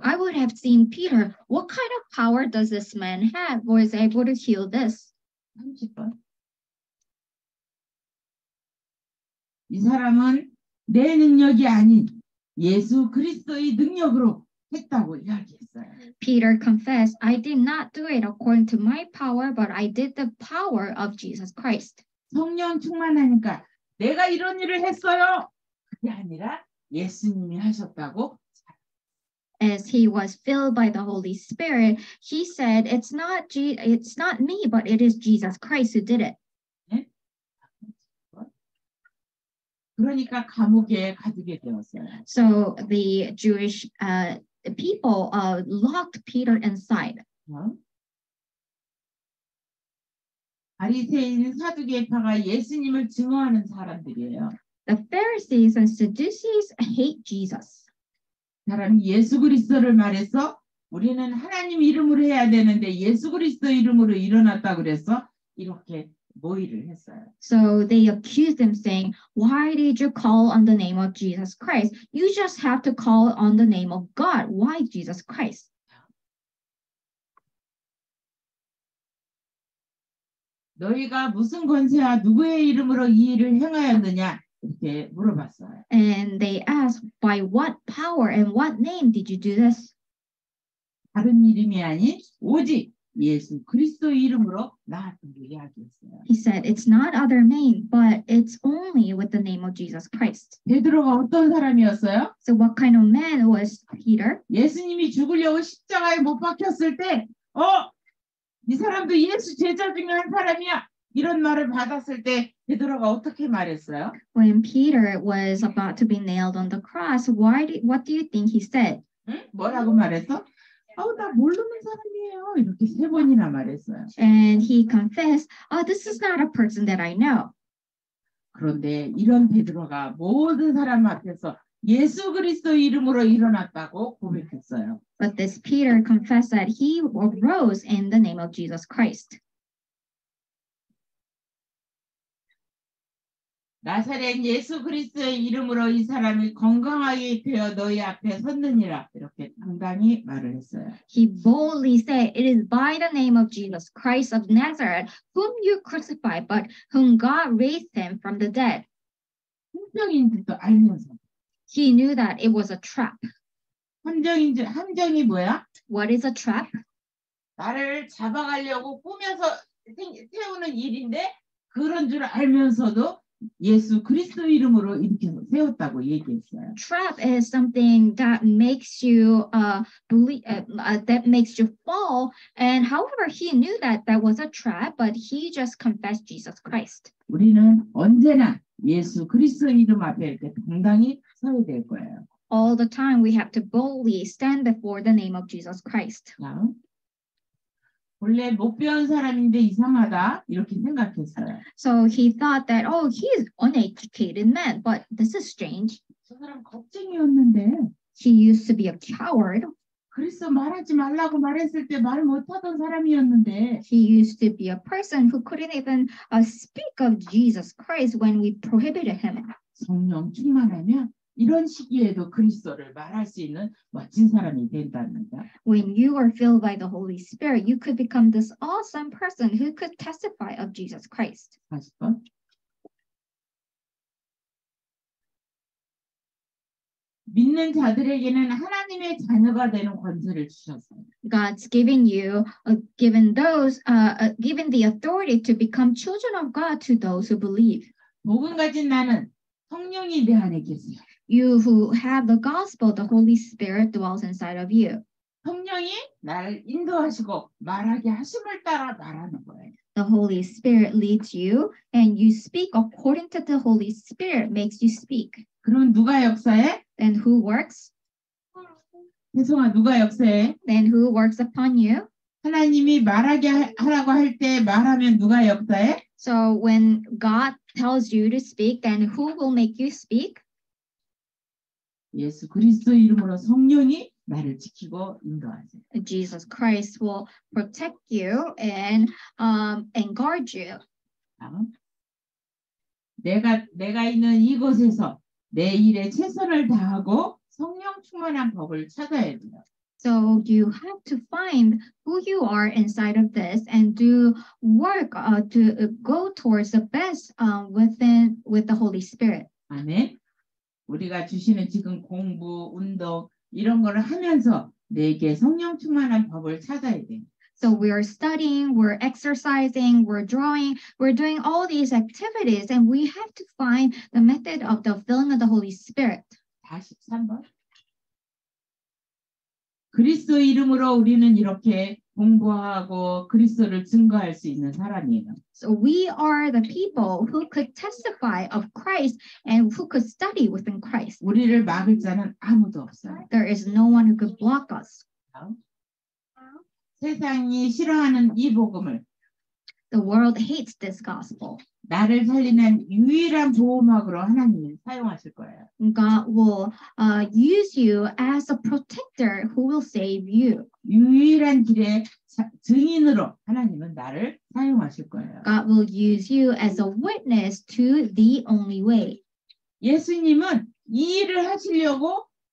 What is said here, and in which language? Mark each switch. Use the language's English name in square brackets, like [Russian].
[English] I would have seen Peter. What kind of power does this man have who is able to heal this? [Korean] 30번. 이 사람은 내 능력이 아닌 예수 그리스도의 능력으로 했다고 이야기했어요. [English] Peter confessed, I did not do it according to my power, but I did the power of Jesus Christ. [Korean] 성령 충만하니까 내가 이런 일을 했어요. 그게 아니라 예수님이 하셨다고. [English] As he was filled by the Holy Spirit, he said, it's not me, but it is Jesus Christ who did it. [Korean] 그러니까 감옥에 가두게 되었어요. [English] So the Jewish people locked Peter inside. [Korean] 바리새인 사두개파가 예수님을 증오하는 사람들이에요. [English] The Pharisees and Sadducees hate Jesus. [Korean] 사람이 예수 그리스도를 말해서 우리는 하나님 이름으로 해야 되는데 예수 그리스도 이름으로 일어났다 그래서 이렇게 [English] So they accused him, saying, Why did you call on the name of Jesus Christ? You just have to call on the name of God. Why Jesus Christ? [Korean] 너희가 무슨 권세와 누구의 이름으로 이 일을 행하였느냐? 이렇게 물어봤어요. [English] And they asked, By what power and what name did you do this? [Korean] 다른 이름이 아닌 오직 예수 그리스도 이름으로 나왔다고 이야기했어요. [English] He said, it's not other name, but it's only with the name of Jesus Christ. [Korean] 베드로가 어떤 사람이었어요? [English] So what kind of man was Peter? [Korean] 예수님이 죽으려고 십자가에 못 박혔을 때, 이 사람도 예수 제자 중에 한 사람이야. 이런 말을 받았을 때 베드로가 어떻게 말했어요? [English] When Peter was about to be nailed on the cross, what do you think he said? [Korean] 응? 뭐라고 말했어? 나 모르는 사람이에요. 이렇게 세 번이나 말했어요. [English] And he confessed, oh, this is not a person that I know. [Korean] 그런데 이런 베드로가 모든 사람 앞에서 예수 그리스도 이름으로 일어났다고 고백했어요. [English] But this Peter confessed that he arose in the name of Jesus Christ. [Korean] 나사렛 예수 그리스도의 이름으로 이 사람이 건강하게 되어 너희 앞에 섰느니라 이렇게 당당히 말을 했어요. [English] He boldly said, "It is by the name of Jesus Christ of Nazareth, whom you crucified, but whom God raised him from the dead." [Korean] 함정인 줄도 알면서. [English] He knew that it was a trap. [Korean] 함정이 뭐야? [English] What is a trap? [Korean] 나를 잡아가려고 꾸며서 세우는 일인데 그런 줄 알면서도. 예수 그리스도 이름으로 이렇게 세웠다고 얘기했어요. [English] Trap is something that makes you fall. And however, he knew that was a trap, but he just confessed Jesus Christ. [Korean] 우리는 언제나 예수 그리스도 이름 앞에 당당히 서야 될 거예요. [English] All the time we have to boldly stand before the name of Jesus Christ. [Korean] 원래 못 배운 사람인데 이상하다 이렇게 생각했어요. [English] So he thought that, oh, he is uneducated man, but this is strange. [Korean] 저 사람 겁쟁이였는데. [English] He used to be a coward. [Korean] 그래서 말하지 말라고 말했을 때 말 못하던 사람이었는데. [English] He used to be a person who couldn't even speak of Jesus Christ when we prohibited him. [Korean] 성령 충만하면. 이런 시기에도 그리스도를 말할 수 있는 멋진 사람이 된다는가? [English] When you are filled by the Holy Spirit, you could become this awesome person who could testify of Jesus Christ. [Korean] 40번. 믿는 자들에게는 하나님의 자녀가 되는 권세를 주셨어요. [English] God's given you, given those, given the authority to become children of God to those who believe. [Korean] 복음 가진 나는 성령이 내 안에 계세요. [English] You who have the gospel, the Holy Spirit dwells inside of you. [Korean] 성령이 나를 인도하시고 말하게 하심을 따라 말하는 거예요. [English] The Holy Spirit leads you, and you speak according to the Holy Spirit makes you speak. [Korean] 그럼 누가 역사해? [English] Then who works? [Korean] 혜성아, 누가 역사해? [English] Then who works upon you? [Korean] 하나님이 말하게 하라고 할 때 말하면 누가 역사해? [English] So when God tells you to speak, then who will make you speak? [Korean] 예수 그리스도 이름으로 성령이 나를 지키고 인도하세요. [English] Jesus Christ will protect you and and guard you. [Korean] 내가 있는 이곳에서 내 일에 최선을 다하고 성령 충만한 법을 찾아야 돼요. [English] So you have to find who you are inside of this and do work to go towards the best with the Holy Spirit. [Korean] 아멘. 우리가 주시는 지금 공부, 운동 이런 걸 하면서 내게 성령 충만한 법을 찾아야 돼. [English] So we are studying, we're exercising, we're drawing, we're doing all these activities and we have to find the method of the filling of the Holy Spirit. [Korean] 43번. 그리스도 이름으로 우리는 이렇게 공부하고 그리스도를 증거할 수 있는 사람이에요. [English] So we are the people who could testify of Christ and who could study within Christ. [Korean] 우리를 막을 자는 아무도 없어요. [English] There is no one who could block us. [Korean] 세상이 싫어하는 이 복음을 [English] The world hates this gospel. [Korean] 나를 살리는 유일한 보호막으로 하나님은 사용하실 거예요. [English] God will use you as a protector who will save you. [Korean] 유일한 길의 증인으로 하나님은 나를 사용하실 거예요. [English] God will use you as a witness to the only way. [Korean] 예수님은 이 일을 하시려고